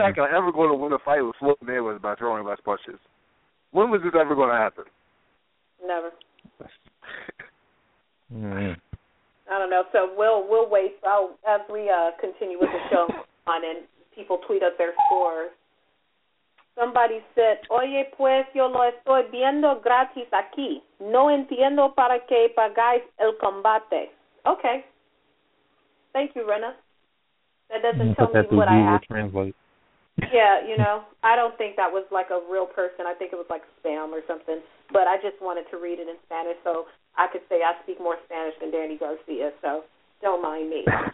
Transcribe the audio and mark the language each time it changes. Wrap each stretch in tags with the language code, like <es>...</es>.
<en>Pacquiao ever going to win a fight with Floyd Mayweather by throwing less punches? When was this ever going to happen? Never. Mm-hmm. I don't know. So we'll wait. So as we continue with the show on and people tweet us their scores. Somebody said,</en> <es>oye, pues, yo lo estoy viendo gratis aquí. No entiendo para qué pagáis el combate.</es> <en>Okay. Thank you, Rena. That doesn't tell me what I asked. Yeah, you know, I don't think that was like a real person. I think it was like spam or something. But I just wanted to read it in Spanish, so I could say I speak more Spanish than Danny Garcia, so don't mind me.</en>